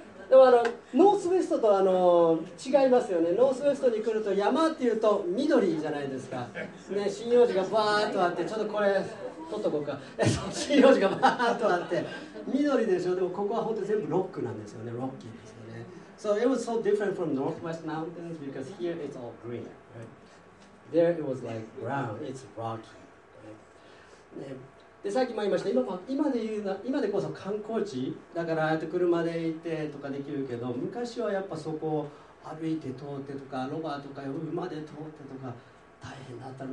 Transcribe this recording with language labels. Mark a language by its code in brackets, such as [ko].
[ja] でもノースウェストと違いますよね。ノースウェストに来ると山っていうと緑じゃないですか。ね、針葉樹がバーッとあって、ちょっとこれ取っとこうか。針葉樹がバーッとあって、緑でしょ。でもここは本当全部ロックなんですよね。ロッキーですよね。 [en] So it was so different from Northwest Mountains because here it's all green.、Right? There it was like brown. It's rocky.、Right? [ja] ね、でさっきも言いました、 今でこそ観光地だからああやって車で行ってとかできるけど、昔はやっぱそこを歩いて通ってとか、ロバとか馬で通ってとか大変だったの。